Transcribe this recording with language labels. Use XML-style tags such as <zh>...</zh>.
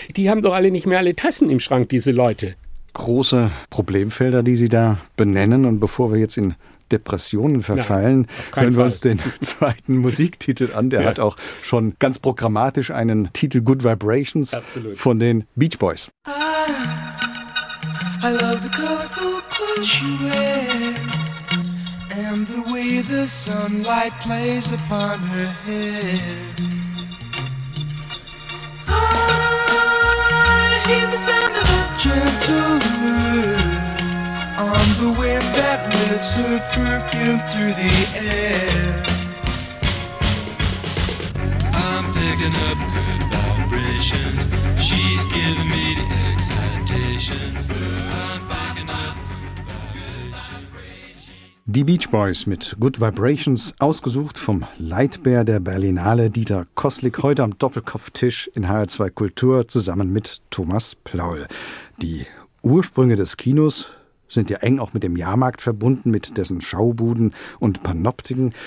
<de>Die haben doch alle nicht mehr alle Tassen im Schrank, diese Leute. Große Problemfelder, die Sie da benennen. Und bevor wir jetzt in Depressionen verfallen, hören wir uns den zweiten Musiktitel an. Der hat auch schon ganz programmatisch einen Titel, Good Vibrations, von den Beach Boys.</de> <en>I love the colorful clothes she wears and the way the sunlight plays upon her hair. I hear the sound of a gentle wind on the wind that lifts her perfume through the air. I'm picking up good vibrations. She's giving me the excitations. I'm picking up good vibrations.</en> <de>Die Beach Boys mit Good Vibrations, ausgesucht vom Leitbär der Berlinale Dieter Kosslick, heute am Doppelkopftisch in HR2 Kultur zusammen mit Thomas Plaul. Die Ursprünge des Kinos sind ja eng auch mit dem Jahrmarkt verbunden, mit dessen Schaubuden und Panoptiken.</de>